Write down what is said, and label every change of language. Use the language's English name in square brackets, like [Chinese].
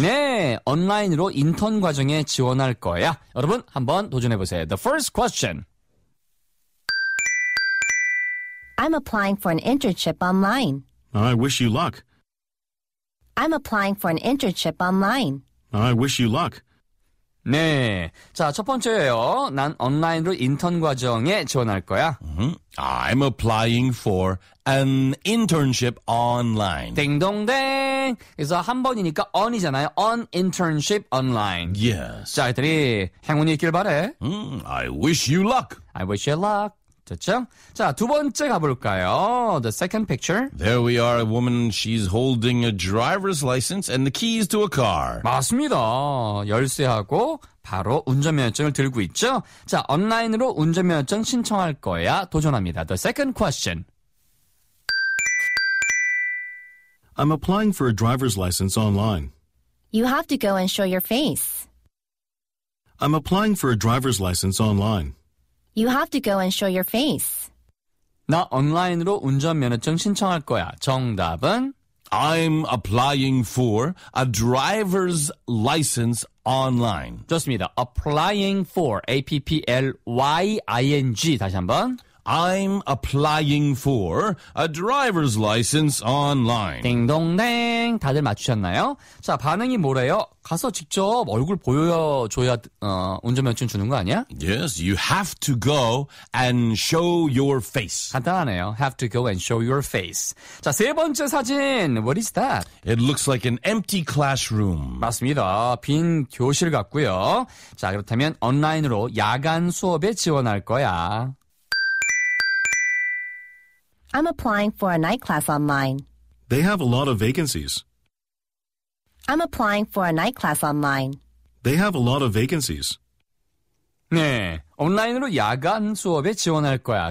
[Korean] 네, 온라인으로 인턴 과정에 지원할 거야. 여러분, 한번 도전해보세요. [English] The first question. I'm applying for an internship online. I wish you luck. I'm applying for an internship online. I wish you luck. [Korean] 네, 자, 첫 번째예요. 난 온라인으로 인턴 과정에 지원할 거야. [English] I'm applying for an internship online. [Korean] 딩동댕. 그래서 한 번이니까 on이잖아요. [English] On internship online. Yes. [Korean] 자, 애들이 행운이 있길 바래. [English] I wish you luck. I wish you luck. [Korean] 됐죠? 자, 두 번째 가볼까요? [English] The second picture. There we are, a woman. She's holding a driver's license and the keys to a car. [Korean] 맞습니다. 열쇠하고 바로 운전면허증을 들고 있죠? 자, 온라인으로 운전면허증 신청할 거야. 도전합니다. [English] The second question. I'm applying for a driver's license online. You have to go and show your face. I'm applying for a driver's license online. You have to go and show your face. [Korean] 나 온라인으로 운전면허증 신청할 거야. 정답은? [English] I'm applying for a driver's license online. [Korean] 좋습니다. [English] Applying for, [Korean] A-P-P-L-Y-I-N-G. 다시 한번. [English] I'm applying for a driver's license online. [Korean] 딩동댕. 다들 맞추셨나요? 자, 반응이 뭐래요? 가서 직접 얼굴 보여줘야 운전면허증 주는 거 아니야? [English] Yes, you have to go and show your face. [Korean] 간단하네요. [English] Have to go and show your face. [Korean] 자, 세 번째 사진. [English] What is that? It looks like an empty classroom. [Korean] 맞습니다. 빈 교실 같고요. 자, 그렇다면 온라인으로 야간 수업에 지원할 거야. [English] I'm applying for a night class online. They have a lot of vacancies. I'm applying for a night class online. They have a lot of vacancies. [Korean] 네, 온라인으로 야간 수업에 지원할 거야.